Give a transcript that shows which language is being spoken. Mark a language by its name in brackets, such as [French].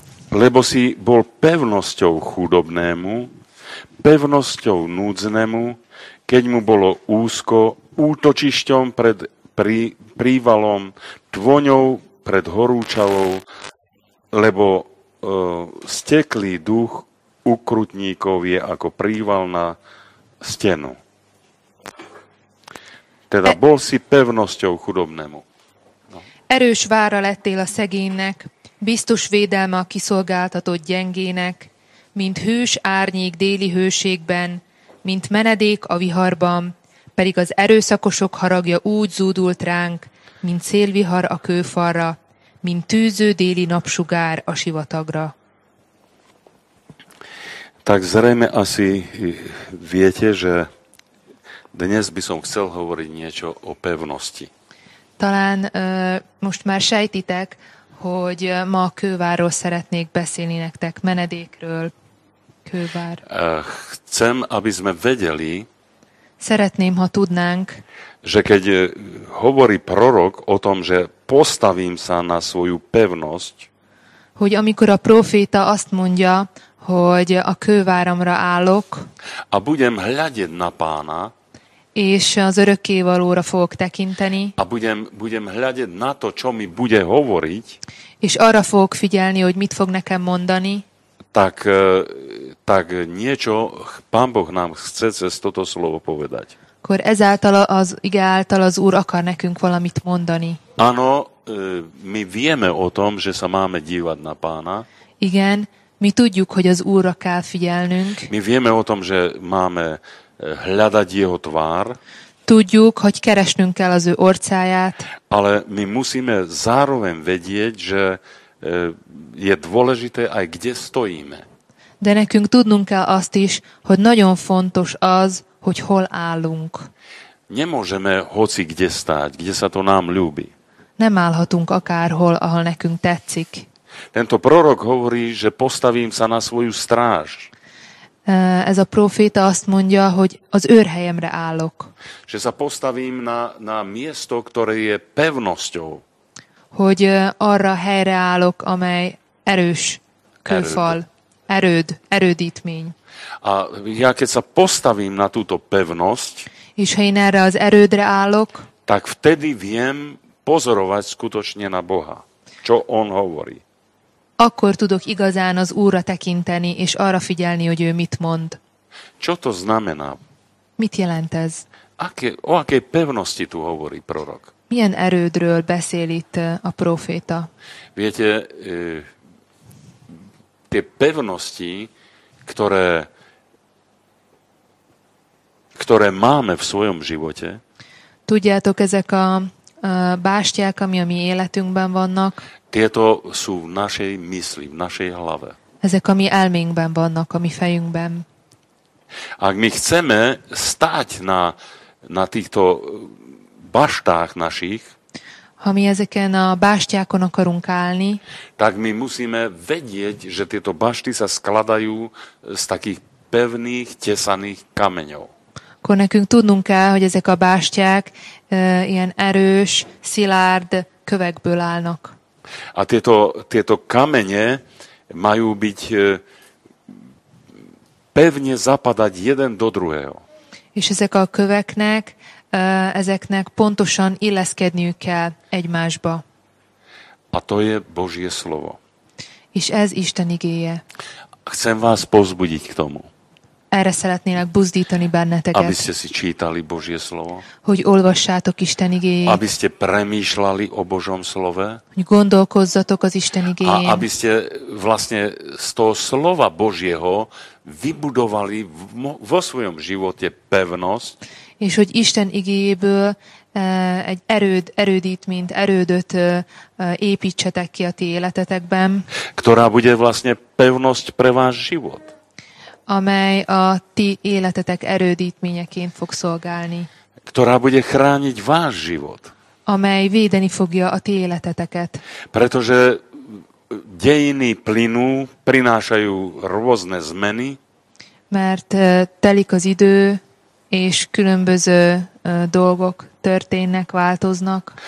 [Slovak] Lebo si bol pevnosťou chudobnému, pevnosťou núdznému, keď mu bolo úzko, útočišťom pred prívalom, tvoňou pred horúčavou, lebo steklý duch ukrutníkov je ako príval na stenu. Teda bol si pevnosťou chudobnému. No. [Hungarian] Erős vára lettél a szegénynek, biztos védelme a kiszolgáltatott gyengének, mint hős árnyék déli hőségben, mint menedék a viharban, pedig az erőszakosok haragja úgy zúdult ránk, mint szélvihar a kőfalra, mint tűző déli napsugár a sivatagra. [Slovak] Tak zrejme asi viete, že dnes by som chcel hovoriť niečo o pevnosti. [Hungarian] Talán most már sejtitek, hogy ma a kőváról szeretnék beszélni nektek, menedékről, kővár. [Slovak] Chcem, aby sme vedeli, [Hungarian] szeretném, ha tudnánk, [Slovak] že keď hovorí prorok o tom, že postavím sa na svoju pevnosť, [Hungarian] hogy amikor a proféta azt mondja, hogy a kőváramra állok. [Slovak] A budem hľadieť na Pána. [Hungarian] És az örökkévalóra fogok tekinteni. [Slovak] A budem hľadieť na to, čo mi bude hovoriť. [Hungarian] És arra fogok figyelni, hogy mit fog nekem mondani. [Slovak] Tak niečo Pán Boh nám chce cez toto slovo povedať. [Hungarian] Akkor ezáltal az ige által az Úr akar nekünk valamit mondani. [Slovak] Áno, my vieme o tom, že sa máme dívať na Pána. [Hungarian] Igen, my tudjuk, hogy az Úrra kell figyelnünk. [Slovak] My vieme o tom, že máme hľadať jeho tvár. [Hungarian] Tudjuk, hogy keresnünk kell az ő orcáját. [Slovak] Ale my musíme zároveň vedieť, že je dôležité aj kde stojíme. [Hungarian] De nekünk tudnunk kell azt is, hogy nagyon fontos az, hogy hol állunk. [Slovak] Nemôžeme hoci kde stáť, kde sa to nám ľúbi. [Hungarian] Nem állhatunk akárhol, ahol nekünk tetszik. [Slovak] Tento prorok hovorí, že postavím sa na svoju stráž. [Hungarian] Ez a proféta azt mondja, hogy az őrhelyemre állok. [Slovak] Že sa postavím na miesto, ktoré je pevnosťou. [Hungarian] Hogy arra helyre állok, amely erős kőfal, erődítmény. [Slovak] A ja keď sa postavím na túto pevnosť, [Hungarian] és ha én erre az erődre állok, [Slovak] tak vtedy viem pozorovať skutočne na Boha, čo on hovorí. [Hungarian] Akkor tudok igazán az Úrra tekinteni, és arra figyelni, hogy ő mit mond. [Slovak] Čo to znamená? [Hungarian] Mit jelent ez? [Slovak] O akej pevnosti tu hovorí prorok? [Hungarian] Milyen erődről beszél itt a proféta? [Slovak] Viete, tie pevnosti, ktoré máme v svojom živote. [Hungarian] Tudjátok, ezek a báštiák, ami a mi életünkben vannak. [Slovak] Tieto sú v našej mysli, v našej hlave. [Hungarian] Ezek a mi elménkben vannak, a mi fejünkben. [Slovak] Ak my chceme stáť na týchto baštách našich, [Hungarian] ha mi ezeken a báštiákon akarunk állni, [Slovak] tak my musíme vedieť, že tieto bašty sa skladajú z takých pevných, tesaných kameňov. [Hungarian] Akkor nekünk tudnunk kell, hogy ezek a báštiák ilyen erős, szilárd kövekből állnak. [Slovak] A tieto kamene majú byť pevne zapadať jeden do druhého. [Hungarian] És ezek a köveknek, ezeknek pontosan illeszkedniük kell egymásba. [Slovak] A to je Božie slovo. [Hungarian] És ez Isten igéje. [Slovak] Chcem vás pozbudiť k tomu. [Hungarian] Erre szeretnélek buzdítani benneteket. [Slovak] Aby ste si čítali Božie slovo. [Hungarian] Hogy olvassátok Isten igéjét. [Slovak] Aby ste premýšľali o Božom slove. [Hungarian] Hogy gondolkozzatok az Isten igéjén. [Slovak] A aby ste vlastne z toho slova Božieho vybudovali vo svojom živote pevnosť. [Hungarian] És hogy Isten igéjéből egy erődítményt, erődöt építsetek ki a ti életetekben. [Slovak] Ktorá bude vlastne pevnosť pre váš život. [Hungarian] Amely a ti életetek erődítményeként fog szolgálni. [Slovak] Ktorá bude chrániť váš život. [Hungarian] Amely védeni fogja a ti életeteket. [Slovak] Pretože dejiny plynú, prinášajú rôzne zmeny. [Hungarian] Mert telik az idő, és különböző dolgok történnek, változnak.